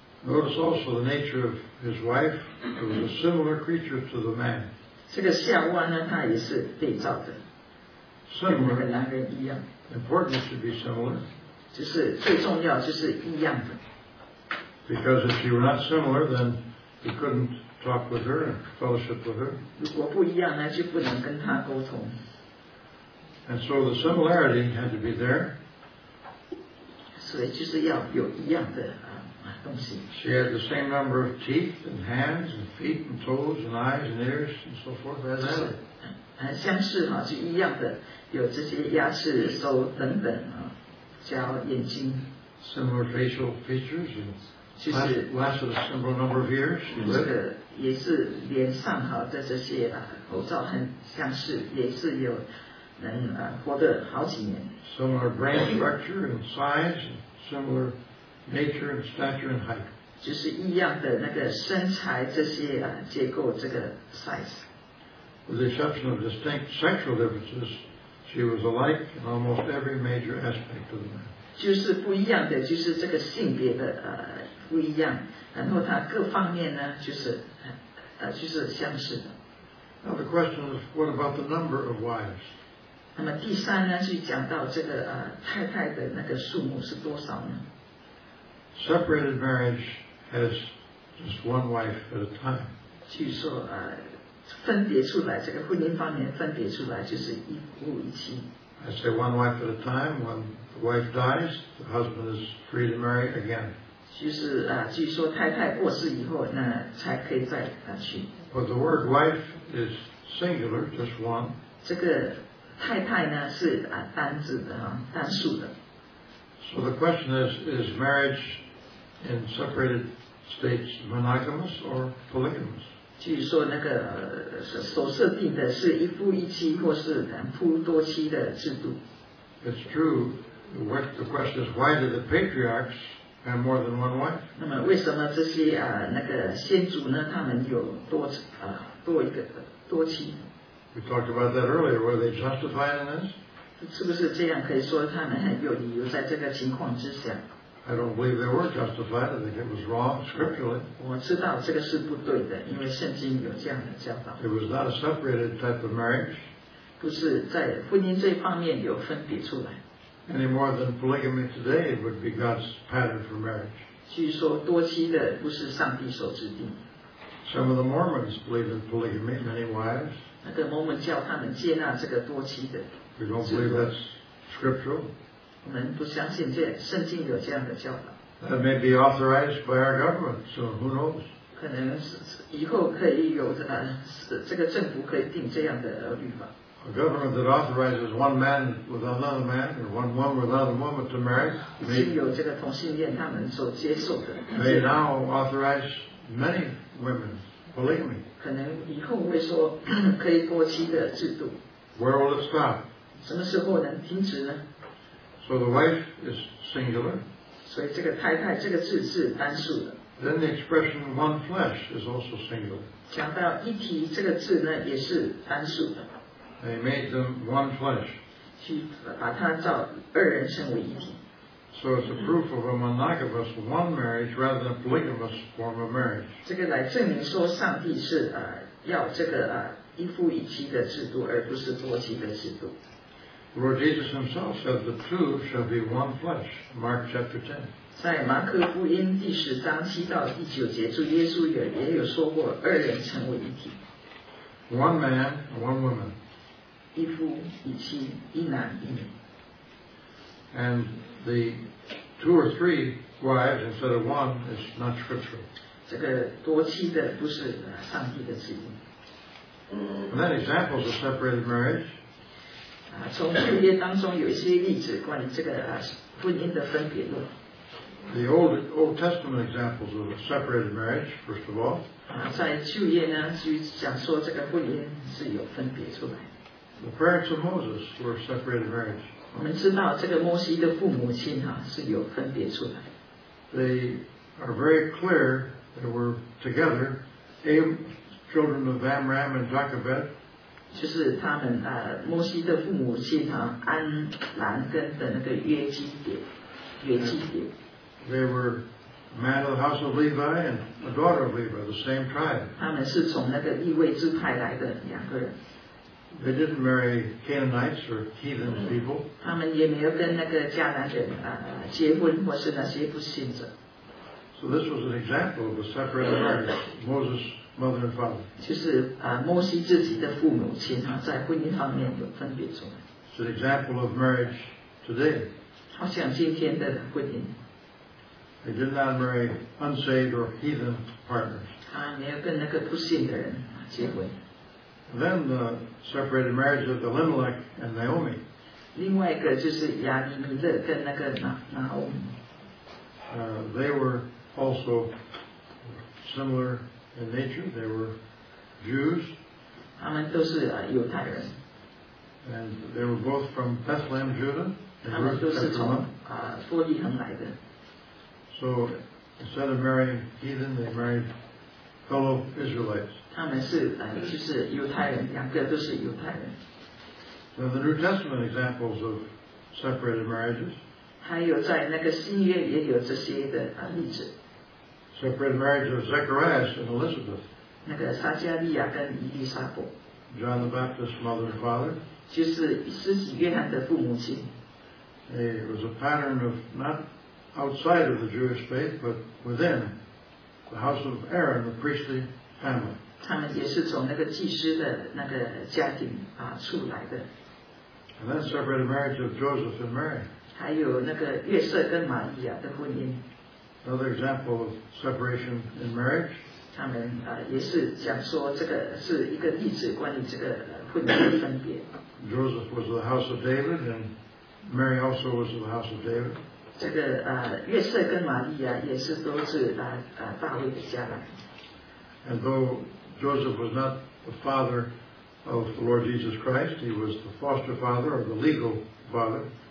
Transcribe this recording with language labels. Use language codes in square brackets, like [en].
[en] Notice also the nature of his wife, who was a similar creature to the man. [zh] 这个夏娃呢，她也是被造的。 [en] Similar. [zh] 跟那个男人一样。 [en] Important to be similar. [zh] 就是最重要就是一样的。 [en] Because if you were not similar, then you couldn't talk with her and fellowship with her. [zh] 如果不一样呢，就不能跟她沟通。 [en] And so the similarity had to be there. [zh] 所以就是要有一样的东西。 [en] She had the same number of teeth and hands and feet and toes and eyes and ears and so forth as Adam. [zh] 相似哈，是一样的，有这些鸭翅手等等啊，加眼睛。 [en] Similar facial features. Last of a similar number of years. [zh] 也是脸上哈的这些啊，口罩很相似，也是有能啊活得好几年。 [en] Similar brain structure and size, similar nature and stature and height. [zh] 就是一样的那个身材这些啊结构这个 size. [en] With the exception of distinct sexual differences, she was alike in almost every major aspect of the man. [zh] 就是不一样的，就是这个性别的不一样，然后他各方面呢就是相似的。 [en] Now the question is, what about the number of wives? [zh] 那么第三呢，就讲到这个太太的那个数目是多少呢 [en] ？Separated marriage has just one wife at a time。 [zh] 据说分别出来，这个婚姻方面分别出来就是一夫一妻。 [en] I say one wife at a time. When the wife dies, the husband is free to marry again。 [zh] 就是据说太太过世以后，那才可以再去。 [en] But the word wife is singular, just one。 [zh] 这个。太太呢是单字的单数的。 [en] So the question is marriage in separated states monogamous or polygamous? [zh] 据说那个所设定的是一夫一妻或是两夫多妻的制度。 [en] It's true. What the question is, why did the patriarchs have more than one wife? [zh] 那么为什么这些那个先祖呢，他们有多一个多妻？ [en] We talked about that earlier. Were they justified in this? [zh] 是不是这样可以说他们很有理由在这个情况之下？ [en] I don't believe they were justified. I think it was wrong scripturally. [zh] 我知道这个是不对的，因为圣经有这样的教导。 [en] It was not a separated type of marriage. [zh] 不是在婚姻这方面有分别出来。 [en] Any more than polygamy today would be God's pattern for marriage. [zh] 据说多妻的不是上帝所指定。 [en] Some of the Mormons believe in polygamy, many wives. [zh] 那个摩门教他们接纳这个多妻的。 [en] We don't believe that's scriptural. [zh] 我们不相信这圣经有这样的教导。 [en] That may be authorized by our government, so who knows? [zh] 可能以后可以有这个政府可以定这样的律法。 [en] A government that authorizes one man with another man or one woman with another woman to marry. [zh] 已经有这个同性恋他们所接受的。 [en] They now authorize many women. Polygamy. [zh] 可能以后会说可以多妻的制度。 [en] Where will it stop? [zh] 什么时候能停止呢 [en] ？So the wife is singular. [zh] 所以这个太太这个字是单数的。 [en] Then the expression one flesh is also singular. [zh] 讲到一体这个字呢，也是单数的。 [en] They made them one flesh. [zh] 去把它造二人成为一体。 [en] So it's a proof of a monogamous one marriage rather than a polygamous form of marriage. [zh] 这个来证明说上帝是要这个一夫一妻的制度，而不是多妻的制度。 [en] Lord Jesus Himself said, "The two shall be one flesh." Mark chapter 10. [zh] 在马可福音第十章七到第九节，主耶稣也有说过，二人成为一体。 [en] One man, one woman. [zh] 一夫一妻，一男一女。 [en] And the two or three wives instead of one is not scriptural. [zh] 这个多妻的不是上帝的旨意。 [en] And then examples of separated marriage. [zh] 从旧约当中有一些例子关于这个婚姻的分别论。 [en] The Old Testament examples of separated marriage, first of all. [zh] 在旧约呢，就讲说这个婚姻是有分别出来。 [en] The parents of Moses were separated marriage. [zh] 我们知道这个摩西的父母亲是有分别出来。 [en] They are very clear that were together, children of Amram and Jochebed. [zh] 就是他们摩西的父母亲安兰跟的那个约基别。 [en] They were man of the house of Levi and a daughter of Levi, the same tribe. [zh] 他们是从那个利未支派来的两个人。 [en] They didn't marry Canaanites or heathen people. [zh] 他们也没有跟那个迦南人结婚，或是那些不信者。 [en] So this was an example of a separate marriage, Moses' mother and father. [zh] 就是摩西自己的父母亲在婚姻方面有分别出来。 [en] It's an example of marriage today. [zh] 好像今天的婚姻。 [en] They did not marry unsaved or heathen partners. [zh] 他没有跟那个不信的人结婚。 [en] Then the separated marriage of Elimelech and Naomi. [zh] 另外一个就是亚尼米勒跟那个拿拿欧。 [en] They were also similar in nature. They were Jews. [zh] 他们都是犹太人。 [en] And they were both from Bethlehem, Judah. [zh] 他们都是从伯利恒来的。 [en] So instead of marrying heathen, they married fellow Israelites. [zh] 他们是就是犹太人，两个都是犹太人。 [en] Now the New Testament examples of separated marriages. [zh] 还有在那个新约也有这些的例子。 [en] Separated marriage of Zacharias and Elizabeth. [zh] 那个撒加利亚跟伊丽莎伯。 [en] John the Baptist's mother and father. [zh] 就是施洗约翰的父母亲。 [en] It was a pattern of not outside of the Jewish faith, but within the house of Aaron, the priestly family. [zh] 他们也是从那个祭司的那个家庭啊出来的。 [en] And then separated marriage of Joseph and Mary. [zh] 还有那个约瑟跟玛利亚的婚姻。 [en] Another example of separation in marriage. [zh] 他们也是讲说这个是一个例子，关于这个婚姻的分别。 [en] Joseph was of the house of David, and Mary also was of the house of David. [zh] 这个约瑟跟玛利亚也是都是大卫的家来。 [en] And though Joseph was not the father of the Lord Jesus Christ, he was the foster father or the legal father.